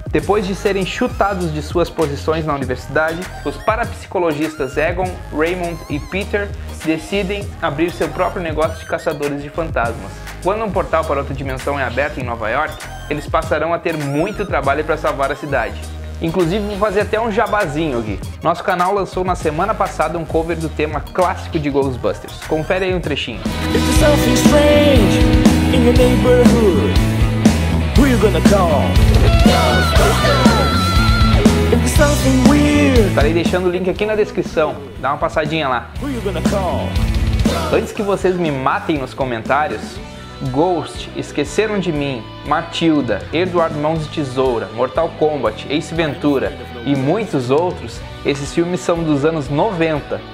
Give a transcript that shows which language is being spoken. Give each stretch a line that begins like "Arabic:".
Portuguese: Depois de serem chutados de suas posições na universidade, os parapsicologistas Egon, Raymond e Peter decidem abrir seu próprio negócio de caçadores de fantasmas. Quando um portal para outra dimensão é aberto em Nova York, eles passarão a ter muito trabalho para salvar a cidade. Inclusive, vou fazer até um jabazinho aqui. Nosso canal lançou na semana passada um cover do tema clássico de Ghostbusters. Confere aí um trechinho.
English: If there's something strange in your neighborhood, who you gonna call? Ghostbusters! If there's something weird...
Portuguese: Estarei deixando o link aqui na descrição. Dá uma passadinha lá.
English: Who you gonna call?
Portuguese: Antes que vocês me matem nos comentários, Ghost, Esqueceram de Mim, Matilda, Edward Mãos de Tesoura, Mortal Kombat, Ace Ventura e muitos outros, esses filmes são dos anos 90.